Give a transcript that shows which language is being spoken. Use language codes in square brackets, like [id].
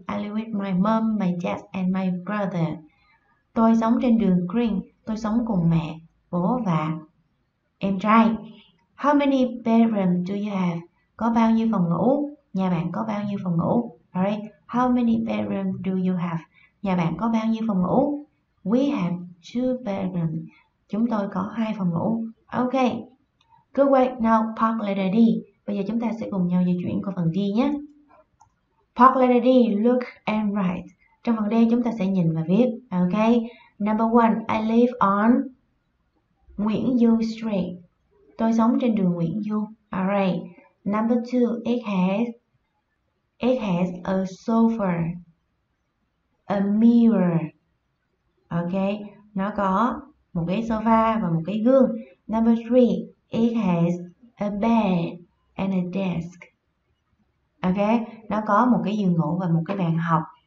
[en] I live with my mom, my dad and my brother. [vi] Tôi sống trên đường Green. Tôi sống cùng mẹ, bố và em trai. [en] How many bedrooms do you have? [vi] Có bao nhiêu phòng ngủ? Nhà bạn có bao nhiêu phòng ngủ? [en] Alright, how many bedrooms do you have? [vi] Nhà bạn có bao nhiêu phòng ngủ? [en] We have two bedrooms. [vi] Chúng tôi có hai phòng ngủ. [en] Okay. Good way. Now park letter D. [vi] Bây giờ chúng ta sẽ cùng nhau di chuyển qua phần D nhé. [en] Park letter D, look and write. [vi] Trong phần D chúng ta sẽ nhìn và viết. [en] Okay. Number one, I live on Nguyễn Du Street. [vi] Tôi sống trên đường Nguyễn Du. [en] Alright. Number two, it has a sofa, a mirror. [vi] Okay, nó có một cái sofa và một cái gương. [en] Number three, it has a bed and a desk. [vi] Okay, nó có một cái giường ngủ và một cái bàn học.